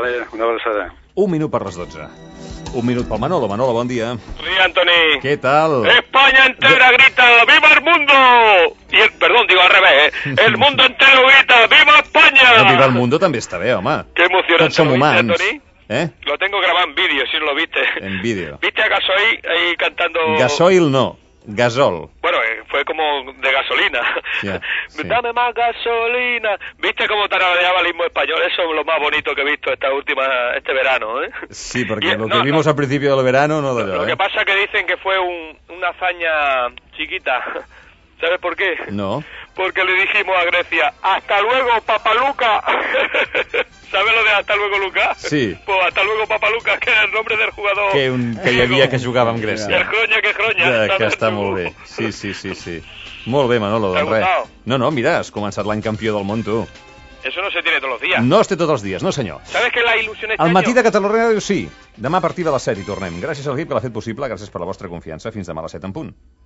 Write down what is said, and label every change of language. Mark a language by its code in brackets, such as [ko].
[ca] Vale, una abraçada. Un minut per les 12. Un minut pel Manolo. Manolo, bon dia. Sí, Antoni. Què tal? [es] España entera grita, viva el mundo! I el, perdón, digo al revés, eh? El mundo entero grita, viva España! [ca] No, [es] viva el mundo [ca] també està bé, home. Que emocionant. Tots som humans. Antoni? ¿Eh? [es] Lo tengo grabado en vídeo, si no lo viste. En vídeo. ¿Viste a Gasoil ahí cantando? Gasoil no. Gasol. Bueno, fue como de gasolina. Yeah, sí. Dame más gasolina. ¿Viste cómo tarareaba el himno español? Eso es lo más bonito que he visto esta última, este verano, ¿eh? Sí, porque y, lo que no, vimos no, al principio del verano no lo veo. Lo que pasa es que dicen que fue una hazaña chiquita. ¿Sabes por qué? No. Porque le dijimos a Grecia, ¡hasta luego, Papaluca! ¿Sabes lo de hasta luego, Luca? Sí. Pues hasta luego, Papaluca, que era el nombre del jugador... [ca] Que hi havia que jugava amb Grècia. Que croña, que croña. Ja, que està molt bé. Sí. Molt bé, Manolo, doncs res. No, mira, has començat l'any campió del món, tu. [es] Eso no se tiene todos los días. No es de todos los días, no, senyor. ¿Sabes que la ilusión es... [ca] Al matí de Catalunya Ràdio, sí. Demà a partir de les 7 hi tornem. Gràcies al equip que l'ha fet possible, gràcies per la vostra confiança. Fins demà a les 7 en punt.